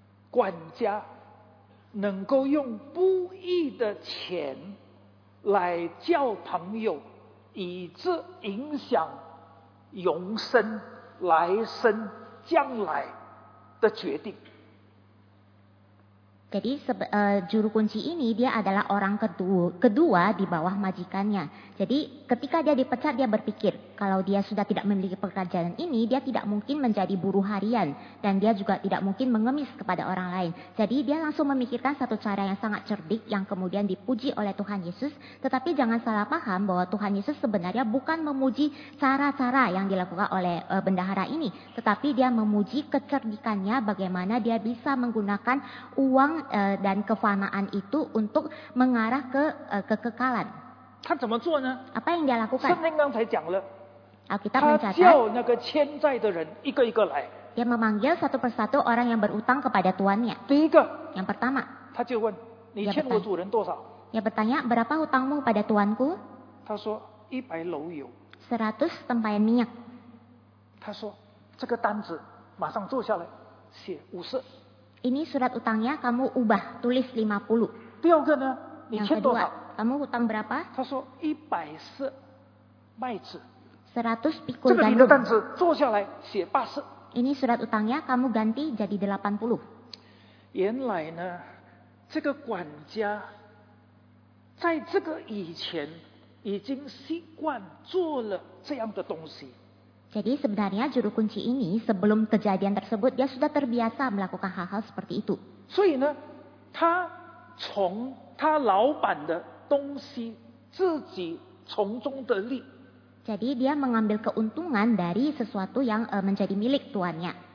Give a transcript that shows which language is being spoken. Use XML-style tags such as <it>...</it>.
<zh>管家能够用不义的钱来叫朋友，以致影响永生、来生、将来的决定。</zh> <id>Jadi juru kunci ini dia adalah orang kedua di bawah majikannya. Jadi ketika dia dipecat dia berpikir kalau dia sudah tidak memiliki pekerjaan ini dia tidak mungkin menjadi buruh harian dan dia juga tidak mungkin mengemis kepada orang lain. Jadi dia langsung memikirkan satu cara yang sangat cerdik yang kemudian dipuji oleh Tuhan Yesus. Tetapi jangan salah paham bahwa Tuhan Yesus sebenarnya bukan memuji cara-cara yang dilakukan oleh bendahara ini, tetapi dia memuji kecerdikannya bagaimana dia bisa menggunakan uang dan kefanaan itu untuk mengarah ke kekekalan. Apa yang dia lakukan?</id> <zh>圣经刚才讲了，他叫那个欠债的人一个一个来。</zh> <id>Dia memanggil satu persatu orang yang berutang kepada tuannya.</id> <zh>第一个，</zh> <id>yang pertama，</id> <zh>他就问，你欠我主人多少？</zh> <id>Dia bertanya berapa hutangmu pada tuanku？</id> <zh>他说一百篓油。</zh> <id>100 tempayan minyak.</id> <zh>他说, 这个单子, 马上坐下来, 写50.</zh> <id>Ini surat utangnya kamu ubah, tulis 50.</id> <zh>第二个呢, 你欠多少?</zh> <id>Yang kedua, kamu hutang berapa?</id> <zh>他说, 110 麦子.</zh> <id>100 pikul gandum.</id> <zh>这个你的单子, 坐下来, 写80.</zh> <id>Ini surat utangnya kamu ganti jadi 80.</id> <zh>原来呢, 这个管家, 在这个以前, 已经习惯做了这样的东西.</zh> <id>Jadi sebenarnya juru kunci ini sebelum kejadian tersebut dia sudah terbiasa melakukan hal-hal seperti itu.</id> <zh>所以呢, 他从他老板的东西自己从中得利.</zh> <id>Jadi dia mengambil keuntungan dari sesuatu yang menjadi milik tuannya.</id>